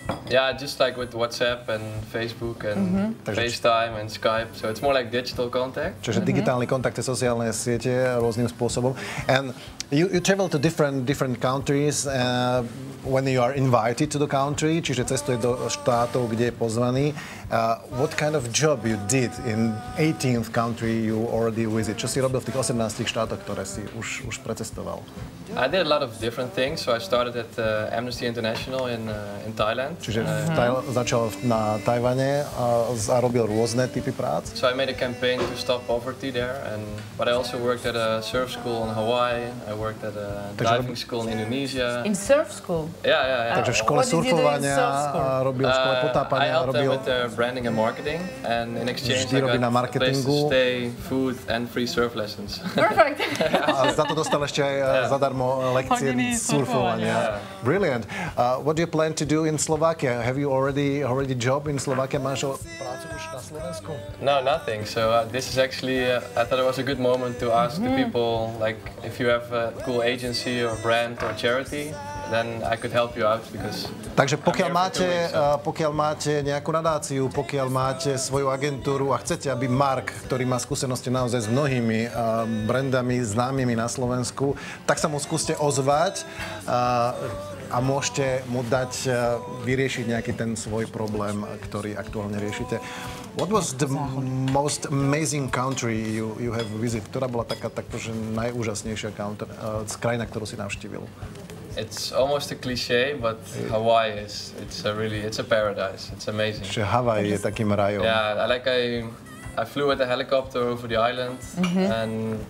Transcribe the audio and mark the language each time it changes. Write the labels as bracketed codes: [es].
[en] Yeah, just like with WhatsApp and Facebook and FaceTime and Skype. So it's more like digital contact. [sk] Čiže digitálny kontakt je sociálne siete rôznym spôsobom. [en] And you travel to different countries when you are invited to the country, [sk] čiže cestuje do štátov, kde je pozvaný. [en] What kind of job you did in 18th country you already visited? [sk] Čo si robil v tých 18 štátoch, ktoré si už precestoval? [en] I did a lot of different things, so I started at Amnesty International in Thailand. [sk] Čiže začal na Tajvane a robil rôzne typy prác. [en] So I made a campaign to stop poverty there, but I also worked at a surf school in Hawaii, I worked at a diving school in Indonesia. In surf school? Yeah. [sk] Takže v škole surfovania robil, v škole potápania robil... [en] I helped them with their branding and marketing, and in exchange I got a place to stay, food and free surf lessons. Perfect. [sk] A za to dostal ešte aj zadarmo lekcie surfovania. [en] Yeah. Brilliant. What do you plan to do in Slovakia? Have you already job in Slovakia? [sk] Máš prácu už na Slovensku? [en] No, nothing. So this is actually, I thought it was a good moment to ask the people, like, if you have a cool agency or brand or charity, then I could help you out because [sk] takže pokiaľ máte nejakú nadáciu, pokiaľ máte svoju agentúru a chcete, aby Mark, ktorý má skúsenosti naozaj s mnohými brandami známymi na Slovensku, tak sa mu skúste ozvať a môžete mu dať vyriešiť nejaký ten svoj problém, ktorý aktuálne riešite. [en] What was the most amazing country you have visited? [sk] Ktorá bola taká takto, že najúžasnejšia krajina, ktorú si navštívil? [en] It's almost a cliché, but Hawaii is, it's a paradise, it's amazing. [sk] Čiže Hawaii je takým rajom. [en] Yeah, like I flew with a helicopter over the island, and